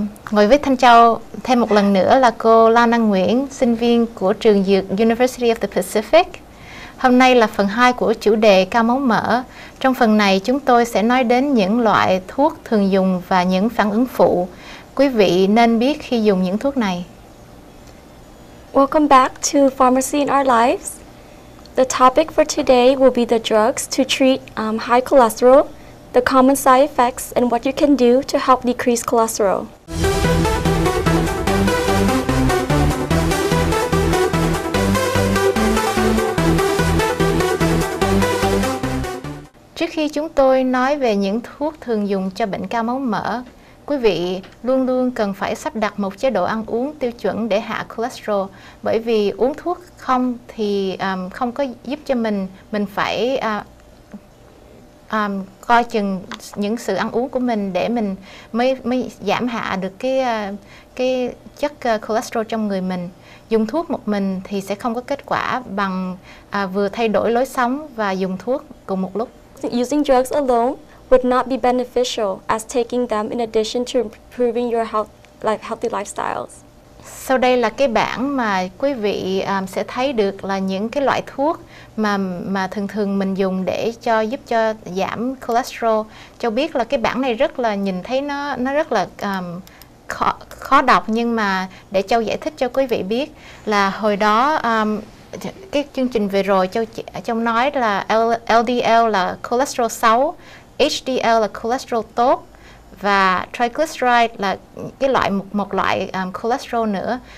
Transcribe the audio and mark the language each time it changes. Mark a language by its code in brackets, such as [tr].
[vi] Ngồi với Thanh Châu thêm một lần nữa là cô Lan Anh Nguyễn, sinh viên của trường dược University of the Pacific. Hôm nay là phần 2 của chủ đề cao máu mỡ. Trong phần này chúng tôi sẽ nói đến những loại thuốc thường dùng và những phản ứng phụ quý vị nên biết khi dùng những thuốc này. [en] Welcome back to Pharmacy in Our Lives. The topic for today will be the drugs to treat high cholesterol, the common side effects, and what you can do to help decrease cholesterol. [vi] Trước khi chúng tôi nói về những thuốc thường dùng cho bệnh cao máu mỡ, quý vị luôn luôn cần phải sắp đặt một chế độ ăn uống tiêu chuẩn để hạ cholesterol, bởi vì uống thuốc không thì không có giúp cho mình phải coi chừng những sự ăn uống của mình để mình mới giảm hạ được cái chất cholesterol trong người mình. Dùng thuốc một mình thì sẽ không có kết quả bằng vừa thay đổi lối sống và dùng thuốc cùng một lúc. [en] Using drugs alone would not be beneficial as taking them in addition to improving your health, like healthy lifestyles. [vi] Sau đây là cái bảng mà quý vị sẽ thấy được là những cái loại thuốc mà thường thường mình dùng để cho giúp cho giảm cholesterol. Cho biết là cái bảng này rất là nhìn thấy nó rất là khó đọc, nhưng mà để Châu giải thích cho quý vị biết là hồi đó cái chương trình vừa rồi Châu nói là LDL là cholesterol xấu, HDL là cholesterol tốt và triglyceride là cái loại một loại cholesterol nữa.